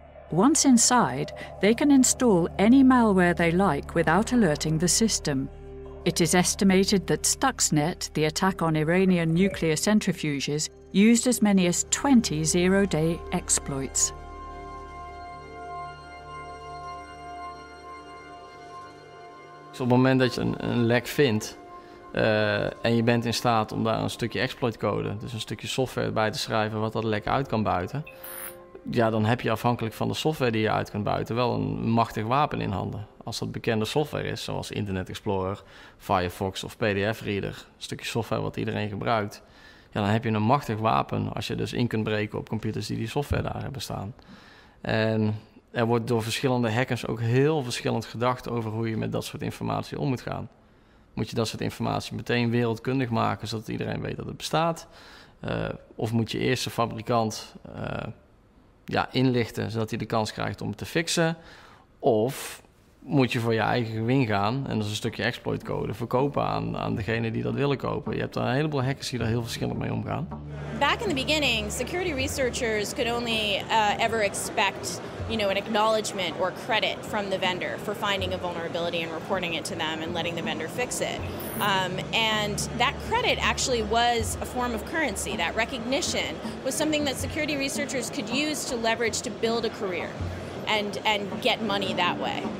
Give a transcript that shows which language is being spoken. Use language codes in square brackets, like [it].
[en] Once inside, they can install any malware they like without alerting the system. It is estimated that Stuxnet, the attack on Iranian nuclear centrifuges, used as many as 20 zero-day exploits. [nl] So, op het moment dat je een lek vindt, en je bent in staat om daar een stukje exploitcode, dus een stukje software bij te schrijven wat dat lek uit kan buiten. Ja, dan heb je afhankelijk van de software die je uit kunt buiten wel een machtig wapen in handen. Als dat bekende software is, zoals Internet Explorer, Firefox of PDF Reader, een stukje software wat iedereen gebruikt. Ja, dan heb je een machtig wapen als je dus in kunt breken op computers die software daar hebben staan. En er wordt door verschillende hackers ook heel verschillend gedacht over hoe je met dat soort informatie om moet gaan. Moet je dat soort informatie meteen wereldkundig maken, zodat iedereen weet dat het bestaat? Of moet je eerst de fabrikant inlichten, zodat hij de kans krijgt om het te fixen? Of moet je voor je eigen gewin gaan, en dat is een stukje exploitcode, verkopen aan degene die dat willen kopen? Je hebt dan een heleboel hackers die daar heel verschillend mee omgaan. [en] Back in the beginning, security researchers could only ever expect, you know, an acknowledgement or credit from the vendor for finding a vulnerability and reporting it to them and letting the vendor fix it. And that credit actually was a form of currency. That recognition was something that security researchers could use to leverage to build a career and get money that way.